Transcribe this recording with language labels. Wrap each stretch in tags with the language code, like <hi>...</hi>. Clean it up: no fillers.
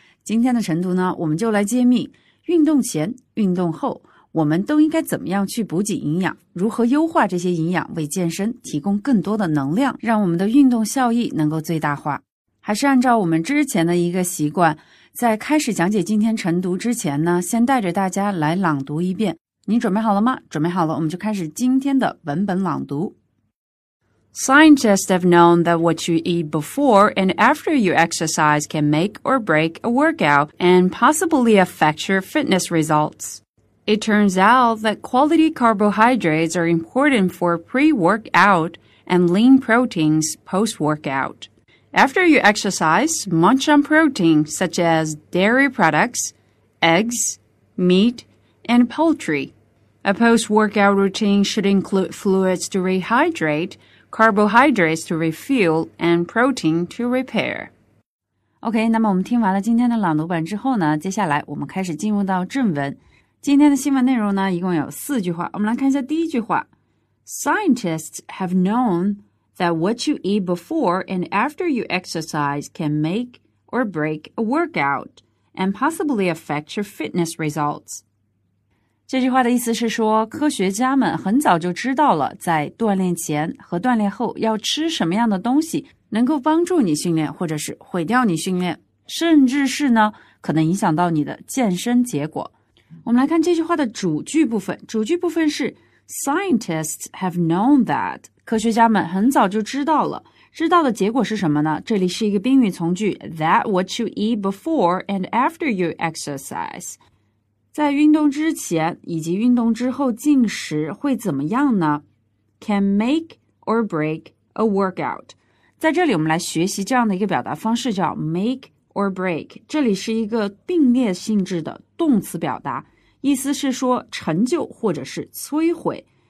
<zh>今天的晨读呢，我们就来揭秘运动前、运动后，我们都应该怎么样去补给营养，如何优化这些营养，为健身提供更多的能量，让我们的运动效益能够最大化。还是按照我们之前的一个习惯，在开始讲解今天晨读之前呢，先带着大家来朗读一遍。你准备好了吗？准备好了，我们就开始今天的文本朗读。</zh> <en>Scientists have known that what you eat before and after you exercise can make or break a workout and possibly affect your fitness results. It turns out that quality carbohydrates are important for pre-workout and lean proteins post-workout. After you exercise, munch on protein such as dairy products, eggs, meat, and poultry. A post-workout routine should include fluids to rehydrate, carbohydrates to refuel, and protein to repair.</en> <zh>OK, 那么我们听完了今天的朗读本之后呢，接下来我们开始进入到正文。今天的新闻内容呢，一共有四句话。我们来看一下第一句话。</zh> <en>Scientists have knownthat what you eat before and after you exercise can make or break a workout and possibly affect your fitness results.</en> <zh>这句话的意思是说，科学家们很早就知道了在锻炼前和锻炼后要吃什么样的东西能够帮助你训练或者是毁掉你训练，甚至是呢可能影响到你的健身结果。我们来看这句话的主句部分，主句部分是</zh> <en>Scientists have known that,</en> <zh>科学家们很早就知道了，知道的结果是什么呢？这里是一个宾语从句</zh> <en>that what you eat before and after you exercise.</en> <zh>在运动之前以及运动之后进食会怎么样呢？</zh> <en>Can make or break a workout.</en> <zh>在这里我们来学习这样的一个表达方式，叫 make or break. 这里是一个并列性质的动词表达，意思是说成就或者是摧毁。</zh>